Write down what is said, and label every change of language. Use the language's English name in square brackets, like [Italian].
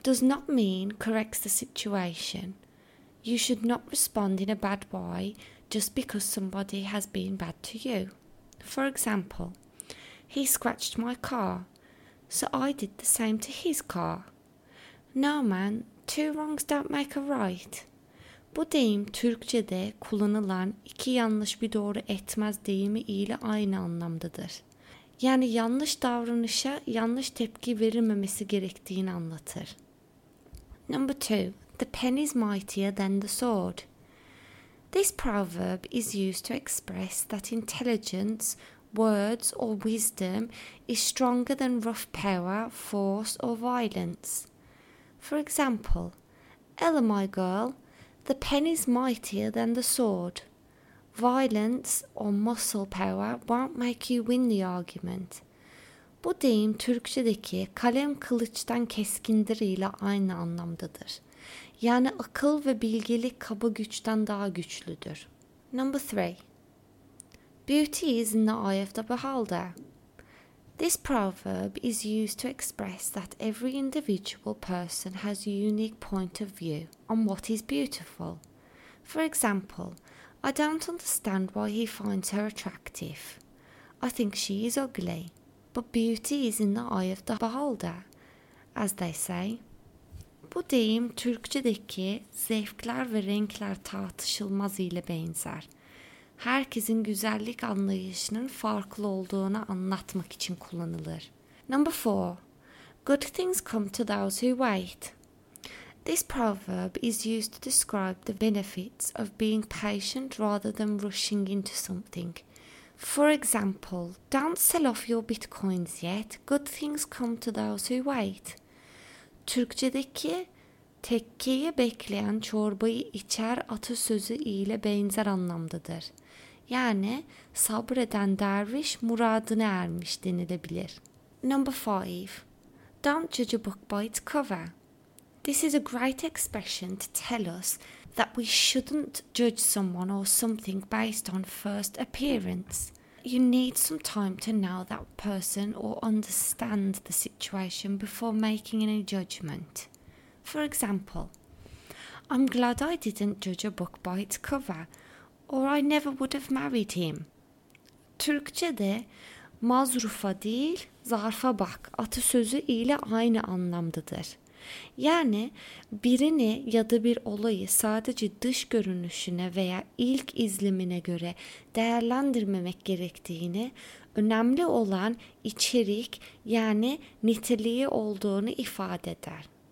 [English] Does not mean corrects the situation. You should not respond in a bad way just because somebody has been bad to you. For example, he scratched my car, so I did the same to his car. No man, two wrongs don't make a right. [Turkish] Bu deyim Türkçe'de kullanılan iki yanlış bir doğru etmez deyimi ile aynı anlamdadır. Yani yanlış davranışa yanlış tepki verilmemesi gerektiğini anlatır. [English] Number 2. The pen is mightier than the sword. This proverb is used to express that intelligence, words or wisdom is stronger than rough power, force or violence. For example, Ella my girl, the pen is mightier than the sword. Violence or muscle power won't make you win the argument. [Turkish] Bu deyim Türkçedeki kalem kılıçtan keskindir ile aynı anlamdadır. Yani akıl ve bilgelik kaba güçten daha güçlüdür. [English] Number 3. Beauty is in the eye of the beholder. This proverb is used to express that every individual person has a unique point of view on what is beautiful. For example, I don't understand why he finds her attractive. I think she is ugly. But beauty is in the eye of the beholder, as they say. [Turkish] Bu deyim Türkçedeki zevkler ve renkler tartışılmaz ile benzer. Herkesin güzellik anlayışının farklı olduğunu anlatmak için kullanılır. [English] Number 4. Good things come to those who wait. This proverb is used to describe the benefits of being patient rather than rushing into something. For example, don't sell off your bitcoins yet. Good things come to those who wait. [Turkish] Türkçedeki tekkeyi bekleyen çorbayı içer atasözü ile benzer anlamdadır. Yani sabreden derviş muradına ermiş denilebilir. [English] Number 5. Don't judge a book by its cover. This is a great expression to tell us that we shouldn't judge someone or something based on first appearance. You need some time to know that person or understand the situation before making any judgment. For example, I'm glad I didn't judge a book by its cover, or I never would have married him. [Turkish] Türkçe'de mazrufa değil, zarfa bak atasözü ile aynı anlamdadır. Yani birini ya da bir olayı sadece dış görünüşüne veya ilk izlemine göre değerlendirmemek gerektiğini, önemli olan içerik yani niteliği olduğunu ifade eder.